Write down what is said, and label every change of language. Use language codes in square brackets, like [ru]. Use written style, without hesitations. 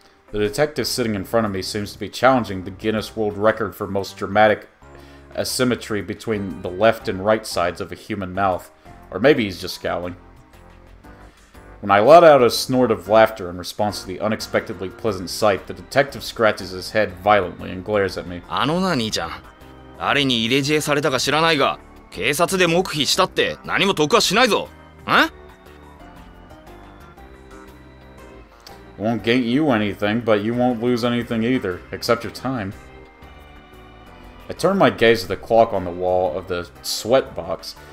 [en] The detective sitting in front of me seems to be challenging the Guinness World Record for most dramatic asymmetry between the left and right sides of a human mouth. Or maybe he's just scowling. When I let out a snort of laughter in response to the unexpectedly pleasant sight, the detective scratches his head violently and glares at me. [ja] あのな、兄ちゃん。誰に入れ知恵されたか知らないが、警察で黙秘したって何も得はしないぞ。ん？ [en] Won't gain you anything, but you won't lose anything either, except your time. I turn my gaze to the clock on the wall of the sweat box.